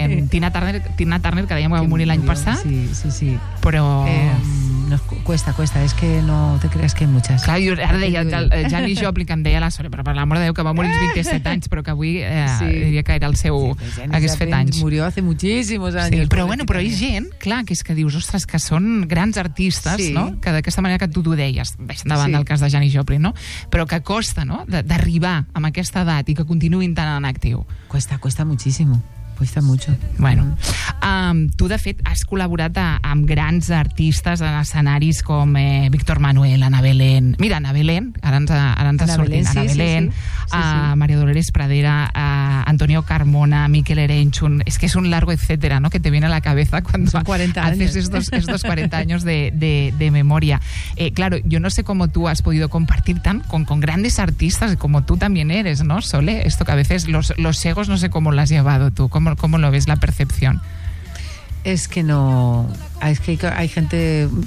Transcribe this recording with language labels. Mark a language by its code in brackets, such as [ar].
[ca] Tina Turner, que dèiem que va morir l'any passat. Sí. Però... [es] Cuesta, es que no te creas que hay muchas. [ca] Clar, jo ara deia, Jani Joplin, que em deia la Sole, però per l'amor de Déu, que va morir als 27 anys, però que avui diria que era el seu... hagués fet anys. [es] Murió hace muchísimos años. [ca] Sí, però hi ha gent, clar, que és que dius, ostres, que són grans artistes, sí, no? Que d'aquesta manera que tu t'ho deies, deixant davant del cas de Jani Joplin, no? Però que costa, no?, d'arribar amb aquesta edat i que continuïn tan en actiu. [es] Cuesta muchísimo. Cuesta mucho. [ca] Bueno, tu de fet has col·laborat amb grans artistes en escenaris com Víctor Manuel, Ana Belén. Mira, Ana Belén, ara ens ha sortit. Ana Belén, sí. Maria Dolores Pradera, Antonio Carmona, Miquel Erenchun. És que és un [es] largo etcètera, no?, que te viene a la cabeza cuando son 40 haces estos 40 años de memoria. Claro, yo no sé cómo tú has podido compartir tan con grandes artistas como tú también eres, ¿no, Sole? Esto que a veces los egos no sé cómo lo has llevado tú. ¿Cómo lo ves, la percepción? Es que no... Es que hay gente...